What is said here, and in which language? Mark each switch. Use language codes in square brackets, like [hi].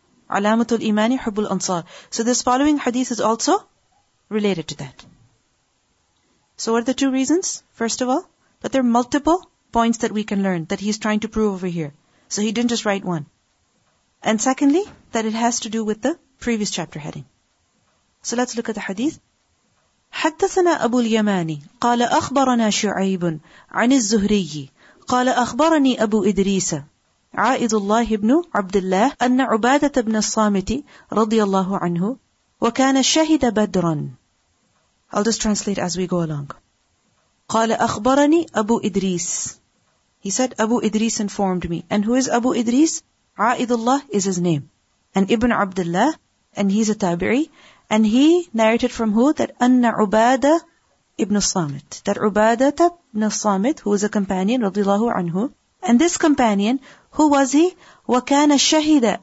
[en] Alamatul Imani Hubbul Ansar. So this following hadith is also related to that. So what are the two reasons? First of all, that there are multiple points that we can learn that he's trying to prove over here. So he didn't just write one. And secondly, that it has to do with the previous chapter heading. So let's look at the hadith. [ar] حدثنا أبو اليمان قال أخبرنا شعيب عن الزهري قال أخبرني أبو إدريس عائد الله بن عبد الله أن عبادة بن الصامت رضي الله عنه وكان شهد بدرا [en] I'll just translate as we go along. [ar] قال أخبرني أبو إدريس [en] He said, Abu Idris informed me. And who is Abu Idris? عائد الله is his name. And Ibn Abdullah, and he's a tabi'i. And he narrated from who? That Anna Ubada ibn Samit. That Ubada ibn Samit, who was a companion, radiallahu anhu. And this companion, who was he? [ar] وَكَانَ الشَّهِدَ.